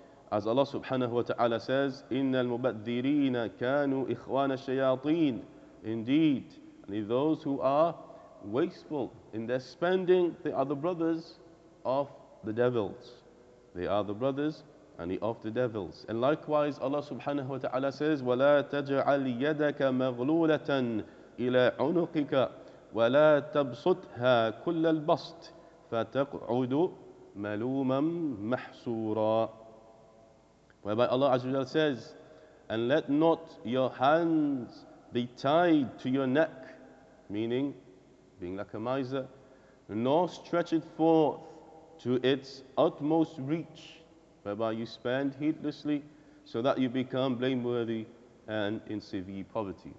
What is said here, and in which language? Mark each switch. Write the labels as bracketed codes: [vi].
[en] As Allah subhanahu wa ta'ala says, [ar] إِنَّ الْمُبَدِّرِينَ كَانُوا إِخْوَانَ الشَّيَاطِينَ. [en] Indeed, those who are wasteful in their spending, they are the brothers of the devils. They are the brothers and he of the devils. And likewise, Allah subhanahu wa ta'ala says, [ar] وَلَا تَجْعَلْ يَدَكَ مَغْلُولَةً إِلَىٰ عُنُقِكَ وَلَا تَبْسُطْهَا كُلَّ الْبَسْطِ فَتَقْعُدُ مَلُومًا مَحْسُورًا. [en] Whereby Allah Azza wa Jalla says, and let not your hands be tied to your neck, meaning being like a miser, nor stretch it forth to its utmost reach, whereby you spend heedlessly, so that you become blameworthy and in severe poverty.